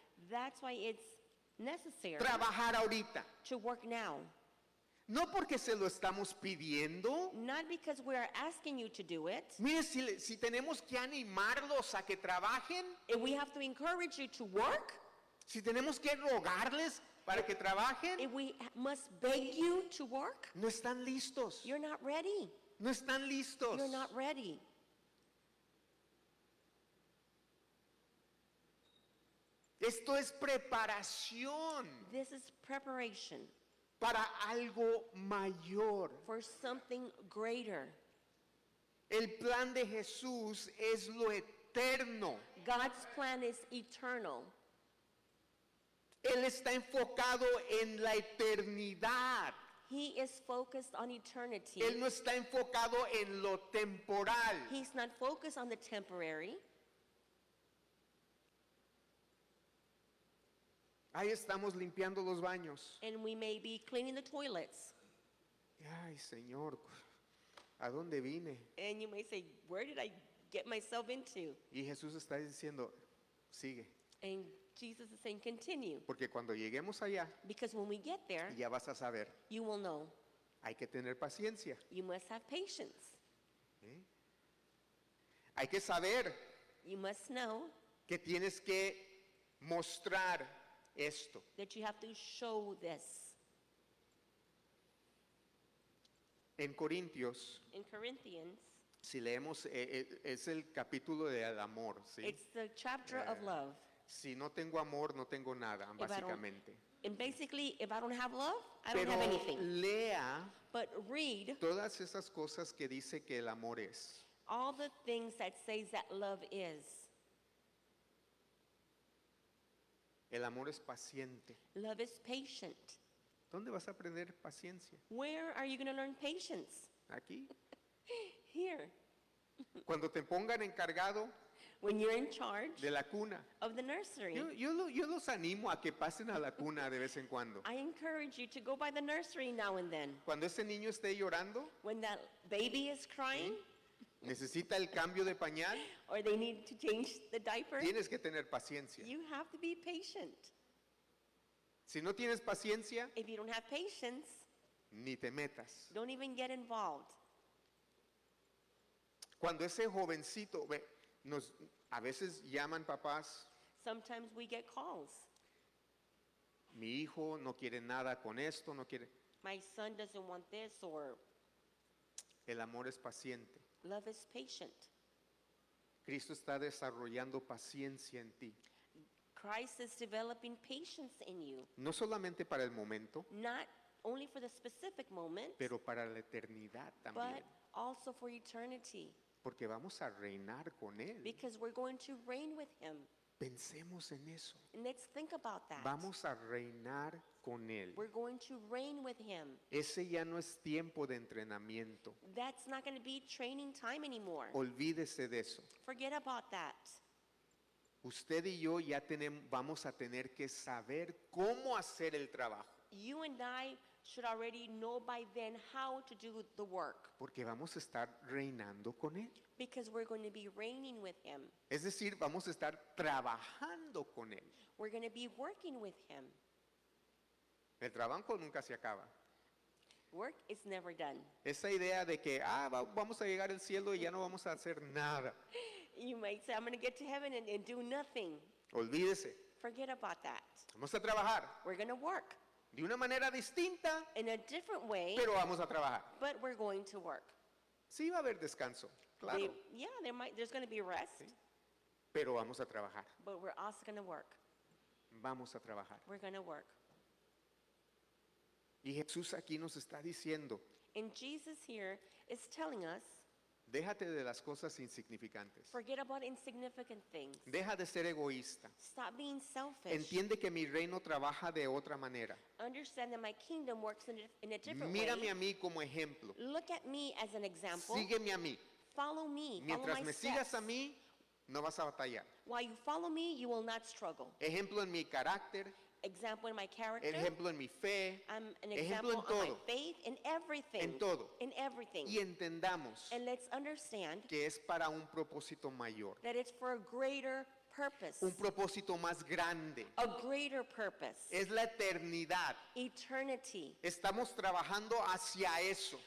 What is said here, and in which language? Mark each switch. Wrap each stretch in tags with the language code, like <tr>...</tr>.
<en>That's why it's necessary.</en> <es>Trabajar ahorita.</es> <en>To work now.</en> <es>No porque se lo estamos pidiendo.</es> <en>Not because we are asking you to do it.</en> <es>Mire, si tenemos que animarlos a que trabajen.</es> <en>If we have to encourage you to work.</en> <es>Si tenemos que rogarles para que trabajen.</es> <en>If we must beg you to work.</en> <es>No están listos.</es> <en>You're not ready.</en> <es>No están listos.</es> <en>You're not ready.</en> <es>Esto es preparación.</es> <en>This is preparation.</en> <es>Para algo mayor.</es> <en>For something greater.</en> <es>El plan de Jesús es lo eterno.</es> <en>God's plan is eternal.</en> <es>Él está enfocado en la eternidad.</es> <en>He is focused on eternity.</en> <es>Él no está enfocado en lo temporal.</es> <en>He's not focused on the temporary.</en> <es>Ahí estamos limpiando los baños.</es> <en>And we may be cleaning the toilets.</en> <es>Ay, Señor, ¿a dónde vine?</es> <en>And you may say, where did I get myself into?</en> <es>Y Jesús está diciendo, sigue.</es> <en>And Jesus is saying, continue.</en> <es>Porque cuando lleguemos allá,</es> <en>because when we get there,</en> <es>ya vas a saber.</es> <en>You will know.</en> <es>Hay que tener paciencia.</es> <en>You must have patience.</en> <es>Hay que saber.</es> <en>You must know.</en> <es>Que tienes que mostrar. Esto.</es> <en>That you have to show this.</en> <es>En Corintios.</es> <en>In Corinthians.</en> <es>Si leemos, es el capítulo del amor, ¿sí?</es> <en>It's the chapter of love.</en> <es>Si no tengo amor, no tengo nada, if básicamente.</es> <en>And basically, if I don't have love, I</en> <es>pero</es> <en>don't have anything.</en> <es>Lea.</es> <en>But read.</en> <es>Todas esas cosas que dice que el amor es.</es> <en>All the things that says that love is.</en> <es>El amor es paciente.</es> <en>Love is patient.</en> <es>¿Dónde vas a aprender paciencia?</es> <en>Where are you going to learn patience?</en> <es>Aquí.</es> <en>Here.</en> <es>Cuando te pongan encargado.</es> <en>When you're in charge.</en> <es>De la cuna.</es> <en>Of the nursery.</en> <es>Yo los animo a que pasen a la cuna de vez en cuando.</es> <en>I encourage you to go by the nursery now and then.</en> <es>Cuando ese niño esté llorando.</es> <en>When that baby is crying.</en> <es>¿Sí? Necesita el cambio de pañal.</es> <en>Or they need to change the diaper.</en> <es>Tienes que tener paciencia.</es> <en>You have to be patient.</en> <es>Si no tienes paciencia,</es> <en>if you don't have patience,</en> <es>ni te metas.</es> <en>Don't even get involved.</en> <es>Cuando ese jovencito, a veces llaman papás.</es> <en>Sometimes we get calls.</en> <es>Mi hijo no quiere nada con esto, no quiere.</es> <en>My son doesn't want this or.</en> <es>El amor es paciente.</es> <en>Love is patient.</en> <es>Cristo está desarrollando paciencia en ti.</es> <en>Christ is developing patience in you.</en> <es>No solamente para el momento.</es> <en>Not only for the specific moment.</en> <es>Pero para la eternidad también.</es> <en>But also for eternity.</en> <es>Porque vamos a reinar con Él.</es> <en>Because we're going to reign with Him.</en> <es>Pensemos en eso.</es> <en>And let's think about that.</en> <es>Vamos a reinar con Él.</es> <en>We're going to reign with Him.</en> <es>Ese ya no es tiempo de entrenamiento.</es> <en>That's not going to be training time anymore.</en> <es>Olvídese de eso.</es> <en>Forget about that.</en> <es>Usted y yo ya vamos a tener que saber cómo hacer el trabajo.</es> <en>You and I should already know by then how to do the work.</en> <es>Porque vamos a estar reinando con Él.</es> <en>Because we're going to be reigning with Him.</en> <es>Es decir, vamos a estar trabajando con Él.</es> <en>We're going to be working with Him.</en> <es>El trabajo nunca se acaba.</es> <en>Work is never done.</en> <es>Esa idea de que vamos a llegar al cielo y ya no vamos a hacer nada.</es> <en>You might say, I'm going to get to heaven and do nothing.</en> <es>Olvídese.</es> <en>Forget about that.</en> <es>Vamos a trabajar.</es> <en>We're going to work.</en> <es>De una manera distinta.</es> <en>In a different way.</en> <es>Pero vamos a trabajar.</es> <en>But we're going to work.</en> <es>Sí va a haber descanso, claro.</es> <en>There's going to be rest. ¿Sí?</en> <es>Pero vamos a trabajar.</es> <en>But we're also going to work.</en> <es>vamos a trabajar.</es> <en>We're going to work.</en> <es>Y Jesús aquí nos está diciendo,</es> <en>and Jesus here is telling us,</en> <es>déjate de las cosas insignificantes.</es> <en>Forget about insignificant things.</en> <es>Deja de ser egoísta.</es> <en>Stop being selfish.</en> <es>Entiende que mi reino trabaja de otra manera.</es> <en>Understand that my kingdom works in a different way.</en> <es>Mírame a mí como ejemplo.</es> <en>Look at me as an example.</en> <es>Sígueme a mí.</es> <en>Follow me.</en> <es>Mientras</es> <en>follow</en> <es>me sigas a mí, no vas a batallar.</es> <en>While you follow me, you will not struggle.</en> <es>Ejemplo en mi carácter.</es> <en>Example in my character.</en> <es>Ejemplo en mi fe.</es> <en>I'm an example</en> <es>en todo.</es> <en>On my faith, in everything.</en> <es>En todo.</es> <en>In everything.</en> <es>Y entendamos,</es> <en>and let's understand,</en> <es>que es para un propósito mayor.</es> <en>That it's for a greater purpose.</en> <es>Un propósito más grande.</es> <en>A greater purpose.</en> <es>Es la eternidad.</es> <en>Eternity.</en> <es>Estamos trabajando hacia eso.</es>